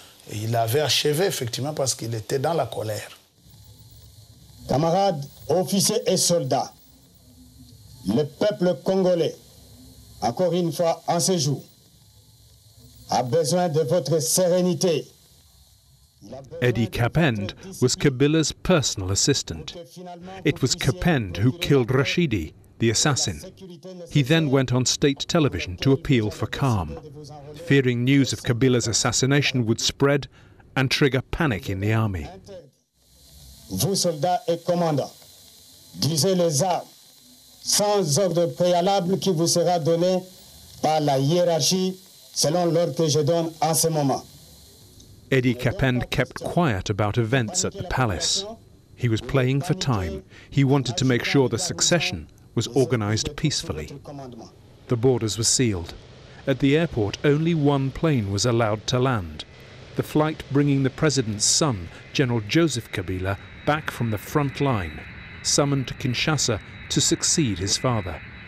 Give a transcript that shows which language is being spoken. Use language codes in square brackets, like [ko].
[fr] Et il avait achevé, effectivement, parce qu'il était dans la colère. Camarades, officiers et soldats, le peuple congolais, encore une fois en ce jour, a besoin de votre sérénité. [en] Eddie Capend was Kabila's personal assistant. It was Capend who killed Rachidi, the assassin. He then went on state television to appeal for calm, fearing news of Kabila's assassination would spread and trigger panic in the army. [fr] Vous soldats et commandants, disez les armes sans ordre préalable qui vous sera donné par la hiérarchie selon l'ordre que je donne en ce moment. [en] Eddie Capend kept quiet about events at the palace. He was playing for time. He wanted to make sure the succession was organized peacefully. The borders were sealed. At the airport, only one plane was allowed to land. The flight bringing the president's son, General Joseph Kabila, back from the front line, summoned to Kinshasa to succeed his father.